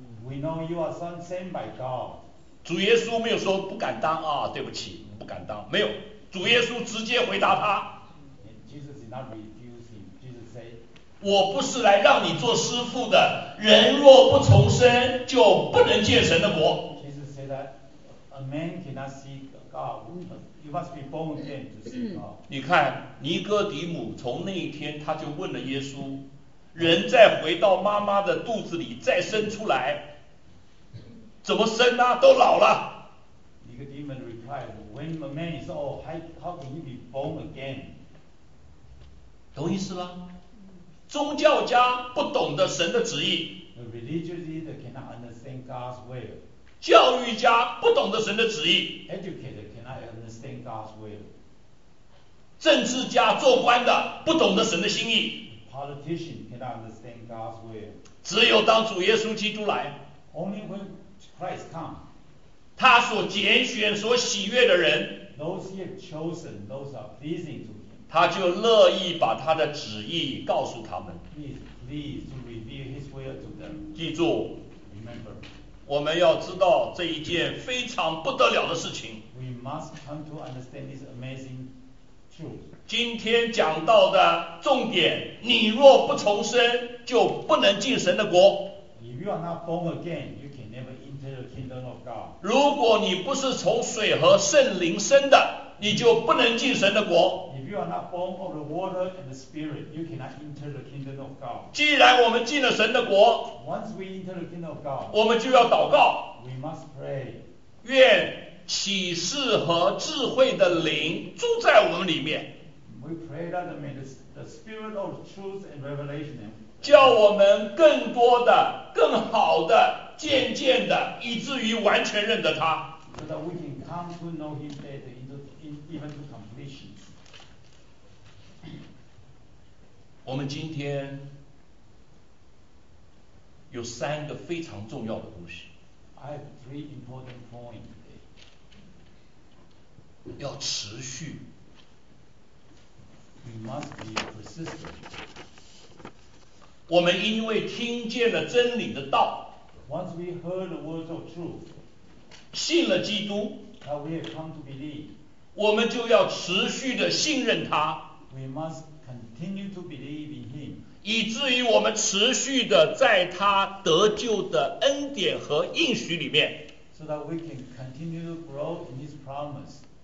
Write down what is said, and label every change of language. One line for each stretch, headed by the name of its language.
English: We know you are sent by God.
Chinese: 主耶稣没有说不敢当啊，对不起，不敢当，没有。主耶稣直接回答他。
English: Jesus did not refuse him. Jesus said.
Chinese: 我不是来让你做师父的，人若不重生，就不能见神的国。
English: Jesus said that a man cannot see God. You must be born again to see God.
Chinese: 你看，尼哥底母从那一天他就问了耶稣，人再回到妈妈的肚子里再生出来，怎么生呢？都老了。
English: Nicodemus replied, when a man is old, how can he be born again?
Chinese: 懂意思吗？宗教家不懂得神的旨意。
English: The religious leader cannot understand God's will.
Chinese: 教育家不懂得神的旨意。
English: Educator cannot understand God's will.
Chinese: 政治家做官的不懂得神的心意。
English: Politician cannot understand God's will.
Chinese: 只有当主耶稣基督来。
English: Only when Christ comes.
Chinese: 他所拣选、所喜悦的人。
English: Those he has chosen, those are pleasing to him.
Chinese: 他就乐意把他的旨意告诉他们。
English: Please reveal his will to them.
Chinese: 记住，
English: Remember,
Chinese: 我们要知道这一件非常不得了的事情。
English: We must come to understand this amazing truth.
Chinese: 今天讲到的重点，你若不重生，就不能进神的国。
English: If you are not born again, you can never enter the kingdom of God.
Chinese: 如果你不是从水和圣灵生的，你就不能进神的国。
English: If you are not born of the water and the spirit, you cannot enter the kingdom of God.
Chinese: 既然我们进了神的国，
English: Once we enter the kingdom of God,
Chinese: 我们就要祷告。
English: We must pray.
Chinese: 愿启示和智慧的灵住在我们里面。
English: We pray that may the spirit of truth and revelation.
Chinese: 叫我们更多的、更好的、渐渐的，以至于完全认得他。
English: So that we can come to know him better, even to completion.
Chinese: 我们今天有三个非常重要的东西。
English: I have three important points.
Chinese: 要持续。
English: We must be persistent.
Chinese: 我们因为听见了真理的道。
English: Once we heard the words of truth.
Chinese: 信了基督。
English: That we have come to believe.
Chinese: 我们就要持续的信任他。
English: We must. Continue to believe in him.
Chinese: 以至于我们持续的在他得救的恩典和应许里面。
English: So that we can continue to grow in his promise.